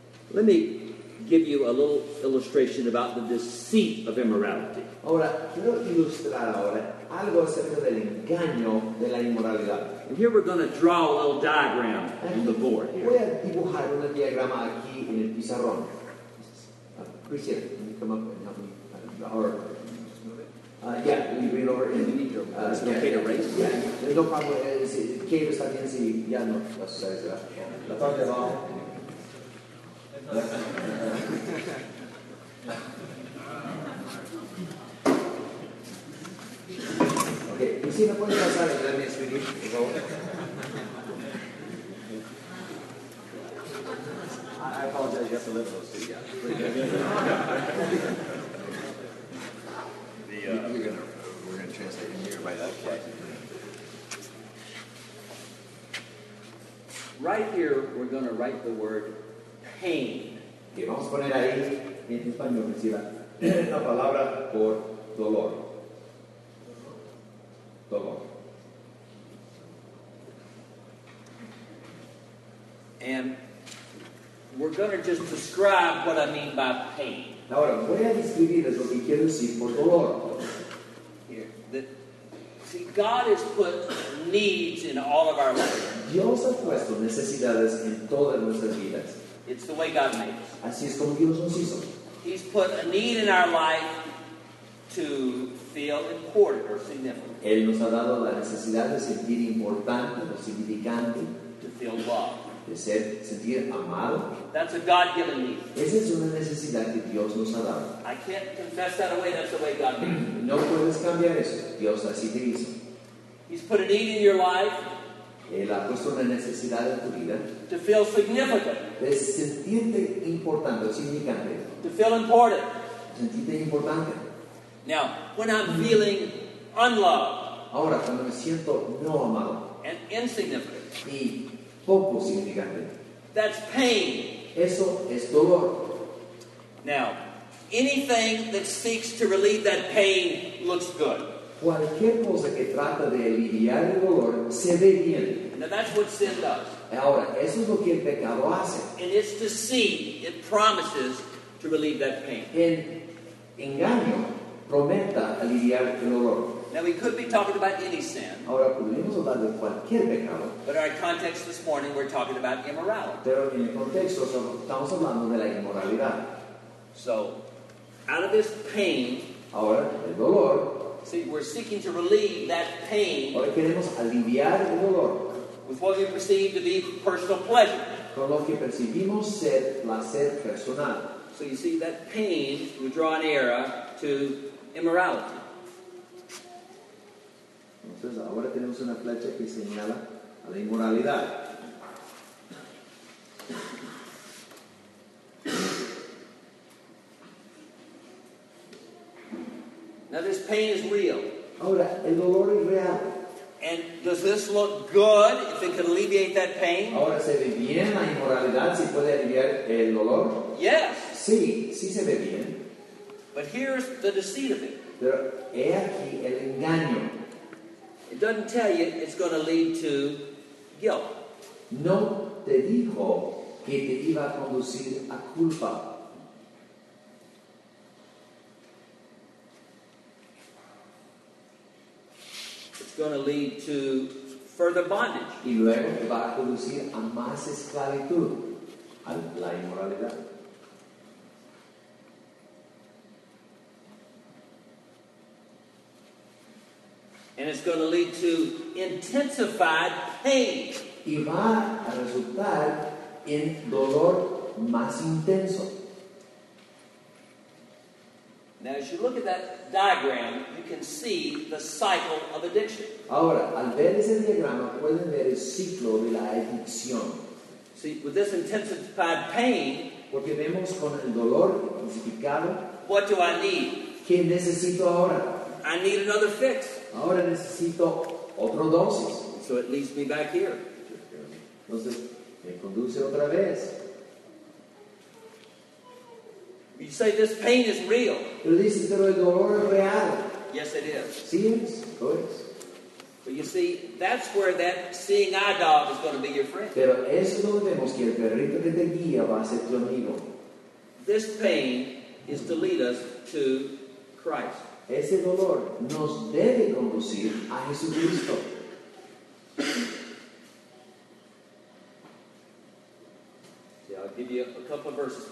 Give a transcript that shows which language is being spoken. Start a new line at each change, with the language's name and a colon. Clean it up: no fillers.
English: Let me give you a little illustration about the deceit of immorality.
Spanish: Ahora, quiero ilustrar ahora algo acerca del engaño de la inmoralidad.
English: And here we're going to draw a little diagram on the board.
Spanish: Voy a dibujar un diagrama aquí en el pizarrón.
English: Christian, can you come up and help me? Can you bring it over in the video? It's okay to raise. Yeah. No problem.
Spanish: Cable está bien, si ya no. La parte abajo. Okay, ¿y si me puedes pasar el Daniel Swedish, por favor?
English: I apologize, you have to live close to you. Yeah. We're gonna translate in here by that kid. Right here, we're gonna write the word pain.
Spanish: Que vamos a poner ahí en español, la palabra por dolor. Dolor.
English: And we're going to just describe what I mean by pain.
Spanish: Ahora, voy a describirles lo que quiero decir por dolor.
English: See, God has put needs in all of our lives.
Spanish: Dios ha puesto necesidades en todas nuestras vidas.
English: It's the way God made us.
Spanish: Así es como Dios nos hizo.
English: He's put a need in our life to feel important or significant.
Spanish: Él nos ha dado la necesidad de sentir importante o significante.
English: To feel loved.
Spanish: De ser, sentir amado.
English: That's a God-given need.
Spanish: Esa es una necesidad que Dios nos ha dado.
English: I can't confess that away. That's the way God made us.
Spanish: No puedes cambiar eso. Dios así te hizo.
English: He's put a need in your life.
Spanish: Él ha puesto una necesidad en tu vida.
English: To feel significant.
Spanish: De sentirte importante, significante.
English: To feel important.
Spanish: Sentirte importante.
English: Now, when I'm feeling unloved.
Spanish: Ahora, cuando me siento no amado.
English: And insignificant.
Spanish: Y poco significante.
English: That's pain.
Spanish: Eso es dolor.
English: Now, anything that seeks to relieve that pain looks good.
Spanish: Cualquier cosa que trata de aliviar el dolor se ve bien.
English: Now that's what sin does.
Spanish: Ahora, eso es lo que el pecado hace.
English: And it's deceit. It promises to relieve that pain.
Spanish: El engaño prometa aliviar el dolor.
English: Now we could be talking about any sin.
Spanish: Ahora, podríamos hablar de cualquier pecado.
English: But our context this morning, we're talking about immorality.
Spanish: Pero en el contexto, estamos hablando de la inmoralidad.
English: So, out of this pain.
Spanish: Ahora, el dolor.
English: See, we're seeking to relieve that pain.
Spanish: Ahora queremos aliviar el dolor.
English: With what we perceive to be personal pleasure.
Spanish: Con lo que percibimos ser placer personal.
English: So you see, that pain would draw an arrow to immorality.
Spanish: Entonces ahora tenemos una flecha que señala a la inmoralidad.
English: Now this pain is real.
Spanish: Ahora, el dolor es real.
English: And does this look good if it can alleviate that pain?
Spanish: Ahora, ¿se ve bien la inmoralidad si puede aliviar el dolor?
English: Yes.
Spanish: Sí, sí se ve bien.
English: But here's the deceit of it.
Spanish: Pero he aquí el engaño.
English: It doesn't tell you it's going to lead to guilt.
Spanish: no te dijo que te iba a conducir a culpa.
English: It's going to lead to further bondage.
Spanish: Y luego te va a conducir a más esclavitud, a la inmoralidad.
English: And it's going to lead to intensified pain.
Spanish: Y va a resultar en dolor más intenso.
English: Now, as you look at that diagram, you can see the cycle of addiction.
Spanish: Ahora, al ver ese diagrama, pueden ver el ciclo de la adicción.
English: See, with this intensified pain,
Spanish: porque vemos con el dolor intensificado,
English: what do I need?
Spanish: ¿Qué necesito ahora?
English: I need another fix.
Spanish: Ahora necesito otra dosis.
English: So it leads me back here.
Spanish: Entonces, me conduce otra vez.
English: You say this pain is real.
Spanish: Pero dices, pero el dolor es real.
English: Yes, it is.
Spanish: Sí, es. Pues.
English: But you see, that's where that seeing eye dog is going to be your friend.
Spanish: Pero eso es donde vemos que el perrito que te guía va a ser tu amigo.
English: This pain is to lead us to Christ.
Spanish: Ese dolor nos debe conducir a Jesucristo.
English: Yeah, I'll give you a couple of verses.